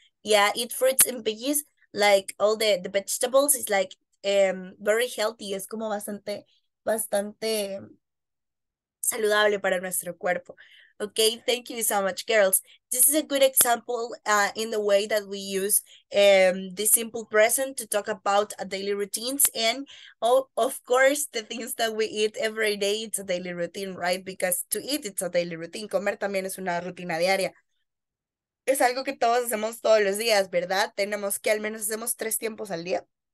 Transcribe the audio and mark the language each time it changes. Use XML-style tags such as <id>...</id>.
<en>Yeah, eat fruits and veggies, like all the vegetables, is like very healthy.</en> <es>Es como bastante, bastante saludable para nuestro cuerpo.</es> <en>Okay, thank you so much, girls. This is a good example in the way that we use the simple present to talk about daily routines. And of course, the things that we eat every day, it's a daily routine, right? Because to eat, it's a daily routine.</en> <es>Comer también es una rutina diaria. Es algo que todos hacemos todos los días, ¿verdad? Tenemos que al menos hacemos tres tiempos al día.</es>